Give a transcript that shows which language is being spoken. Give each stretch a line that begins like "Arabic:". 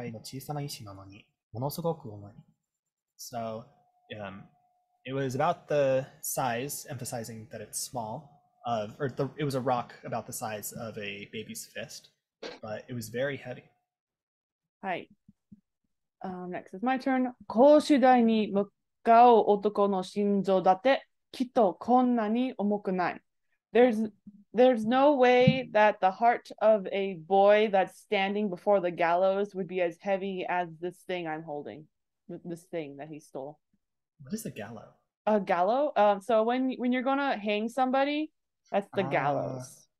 Japanese: 赤ん坊の拳ぐらいの小さな石なのにものすごく重い。
English: So, it was about the size, emphasizing that it's small, it was a rock about the size of a baby's fist, but it was very heavy. Hi. Next is my turn.
Japanese: 公衆台に向かう男の心臓だってきっとこんなに重くない。
English: There's no way that the heart of a boy that's standing before the gallows would be as heavy as this thing I'm holding, this thing that he stole. What is a gallows? A gallows? So when you're going to hang somebody, that's the gallows.